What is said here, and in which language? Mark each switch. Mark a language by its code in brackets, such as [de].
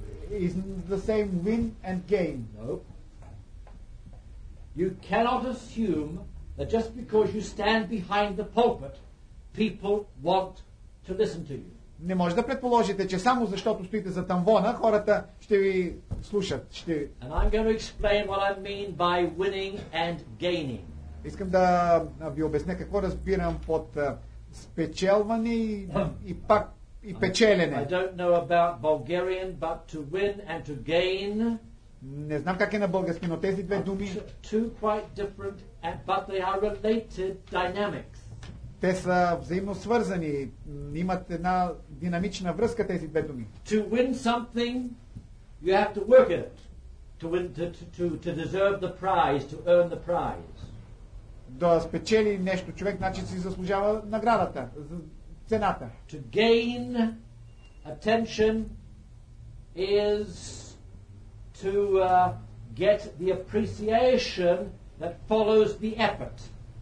[en] Isn't the same win and gain. No. You cannot assume that just because you stand behind the pulpit, people want to listen to you. [bg] Не може да предположите, че само защото стоите за тамвона, хората ще ви слушат. Ще... [en] And I'm going to explain what I mean by winning and gaining. [bg] Искам да ви обясня какво разбирам под спечелване и пак и печелене. [en] I don't know about Bulgarian, but to win and to gain. [bg] Не знам как е на български, но тези две думи [en] two quite different, but they are related dynamics. [bg] Те са взаимно свързани, имат една динамична връзка тези две думи. [en] To win something, you have to work at it. To win, to deserve the prize, to earn the prize. [bg] Да спечели нещо човек, значи си заслужава наградата, цената. [en] To gain attention is to get the appreciation that follows the effort.